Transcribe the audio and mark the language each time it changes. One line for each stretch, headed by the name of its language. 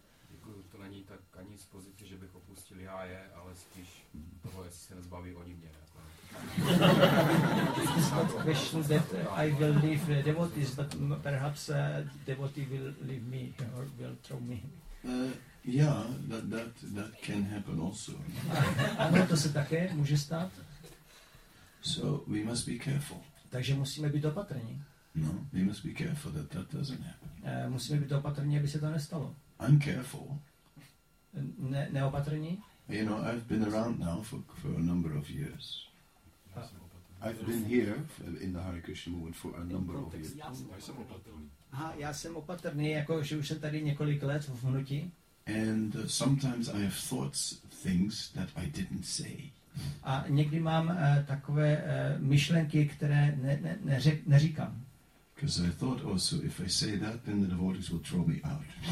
Czech: Děkuju, to není tak ani z pozice, že bych opustil já je, ale spíš toho, jestli se nezbaví oni mě.
English: It's not a question that I will leave the devotees, but perhaps devotee will leave me or will throw me. Yeah, that can happen also.
Czech: Ano, to se také může stát.
English: So we must be careful.
Czech: Takže musíme být opatrní.
English: No, we must be careful that doesn't happen.
Czech: Musíme být opatrní, aby se to nestalo.
English: I'm careful.
Czech: Neopatrní.
English: You know, I've been around now for a number of years. I've been here in the Hare Krishna movement for a number of years.
Czech: Já jsem opatrný, jako že už jsem tady několik let v hnutí.
English: And sometimes I have thoughts, things that I didn't say.
Czech: A někdy mám takové myšlenky, které neříkám.
English: Because I thought also, if I say that, then the devotees will throw me out.